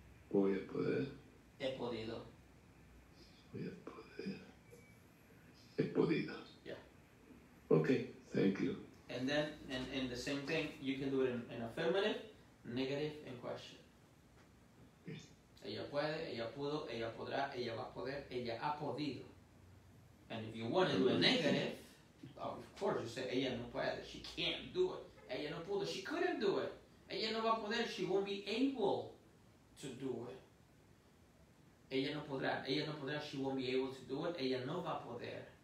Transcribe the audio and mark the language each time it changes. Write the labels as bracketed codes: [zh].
[es] Voy a poder. He podido. Voy a poder. He podido. [en] Yeah. Okay, thank you. And then, and the same thing, you can do it in affirmative, negative, and question. Yes. [es] Ella puede, ella pudo, ella podrá, ella va a poder, ella ha podido. [en] And if you want to do a negative, of course, you say, [es] ella no puede, [en] she can't do it. [es] Ella no pudo, [en] she couldn't do it. [es] Ella no va a poder, [en] she won't be able to do it. [es] Ella no podrá, [en] she won't be able to do it. [es] Ella no va a poder.